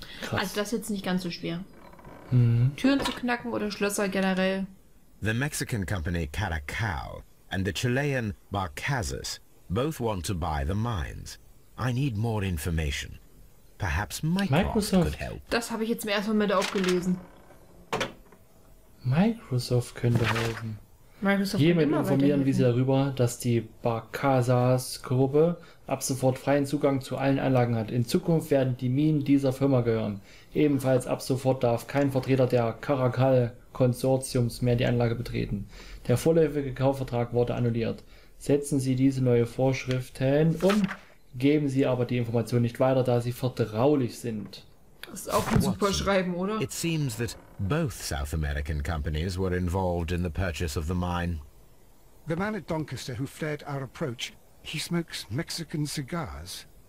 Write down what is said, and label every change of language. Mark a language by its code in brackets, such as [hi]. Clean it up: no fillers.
[de] Also das ist jetzt nicht ganz so schwer. Mhm. Türen zu knacken oder Schlösser generell. [en] The Mexican company Caracal and the Chilean Barcazas both want to buy the mines. I need more information. Perhaps Microsoft could help. [de] Das habe ich jetzt mir erstmal mit aufgelesen. Microsoft könnte helfen. Microsoft hiermit informieren wir sie darüber, dass die Barcazas-Gruppe ab sofort freien Zugang zu allen Anlagen hat. In Zukunft werden die Minen dieser Firma gehören. Ebenfalls ab sofort darf kein Vertreter der Caracal-Konsortiums mehr die Anlage betreten. Der vorläufige Kaufvertrag wurde annulliert. Setzen Sie diese neue Vorschrift hin und geben Sie aber die Information nicht weiter, da sie vertraulich sind. Das ist auch ein super Schreiben, oder? [en] It seems that both South American companies were involved in the purchase of the mine. The man at Doncaster who fled our approach, he smokes Mexican cigars.